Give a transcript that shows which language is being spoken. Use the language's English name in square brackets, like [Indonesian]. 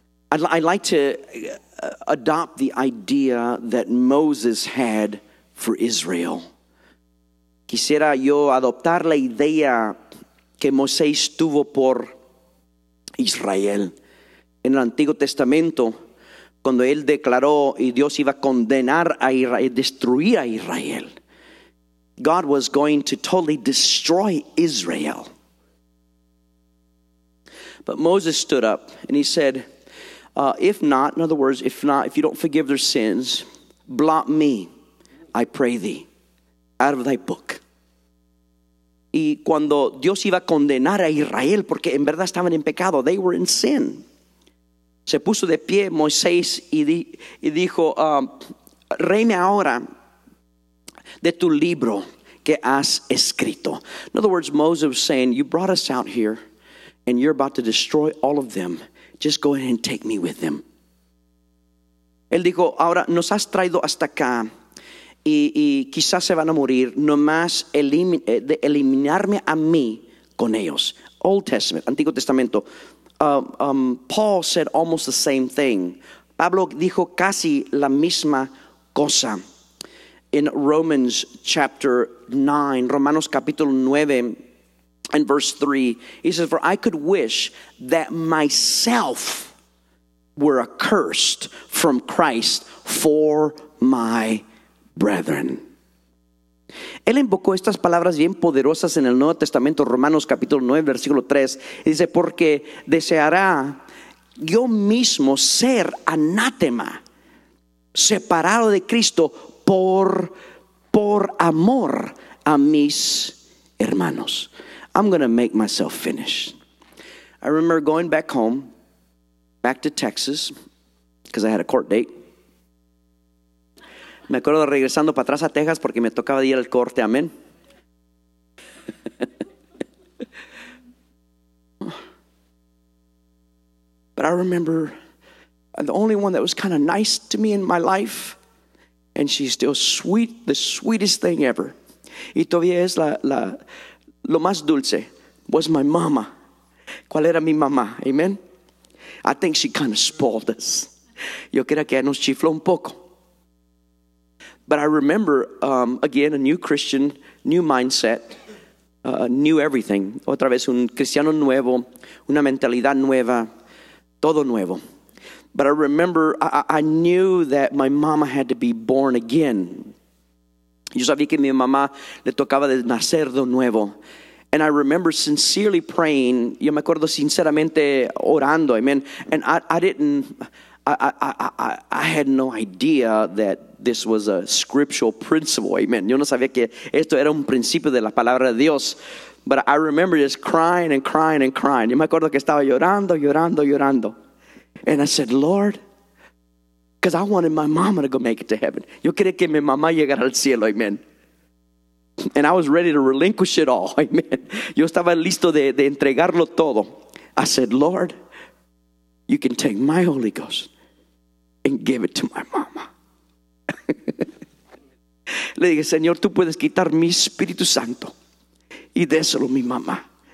[English] I'd like to adopt the idea that Moses had for Israel. [Spanish] Quisiera yo adoptar la idea que Moisés tuvo por Israel. En el Antiguo Testamento, cuando él declaró y Dios iba a condenar a Israel, destruir a Israel. [English] God was going to totally destroy Israel. But Moses stood up and he said, if not, in other words, if not, if you don't forgive their sins, blot me, I pray thee, out of thy book. [Spanish] Y cuando Dios iba a condenar a Israel, porque en verdad estaban en pecado, [English] they were in sin. [Spanish] Se puso de pie Moisés y dijo, reime ahora de tu libro que has escrito. [English] In other words, Moses was saying, you brought us out here and you're about to destroy all of them. Just go ahead and take me with them. [Spanish] Él dijo, ahora nos has traído hasta acá. Y quizás se van a morir, nomás de eliminarme a mí con ellos. [English] Old Testament, [Spanish] Antiguo Testamento. [English] Paul said almost the same thing. [Spanish] Pablo dijo casi la misma cosa. [English] In Romans chapter 9, [Spanish] Romanos capítulo 9, [English] and verse 3, he says, for I could wish that myself were accursed from Christ for my brethren. [Spanish] Él invocó estas palabras bien poderosas en el Nuevo Testamento, Romanos capítulo 9, versículo 3. Y dice, porque deseará yo mismo ser anátema, separado de Cristo por amor a mis hermanos. [English] I'm going to make myself finish. I remember going back home, back to Texas, because I had a court date. [Spanish] Me acuerdo regresando para atrás a Texas porque me tocaba ir al corte, amén. [English] But I remember the only one that was kind of nice to me in my life, and she's still sweet, the sweetest thing ever. [Spanish] Y todavía es lo más dulce, [English] was my mama. [Spanish] ¿Cuál era mi mamá? Amen. [English] I think she kind of spoiled us. [Spanish] Yo creo que nos chifló un poco. [English] But I remember, again, a new Christian, new mindset, new everything. [Spanish] Otra vez un cristiano nuevo, una mentalidad nueva, todo nuevo. [English] But I remember, I knew that my mama had to be born again. [Spanish] Yo sabía que mi mamá le tocaba de nacer de nuevo. [English] And I remember sincerely praying. [Spanish] Yo me acuerdo sinceramente orando, amen. [English] And I had no idea that this was a scriptural principle, amen. [Spanish] Yo no sabía que esto era un principio de la palabra de Dios. [English] But I remember just crying and crying and crying. [Spanish] Yo me acuerdo que estaba llorando, llorando, llorando. [English] And I said, Lord, because I wanted my mama to go make it to heaven. [Spanish] Yo quería que mi mamá llegara al cielo, amen. [English] And I was ready to relinquish it all, amen. [Spanish] Yo estaba listo de entregarlo todo. [English] I said, Lord, you can take my Holy Ghost and give it to my mama. [Spanish] Le dije, Señor, tú puedes quitar mi Espíritu Santo y déselo a mi mamá.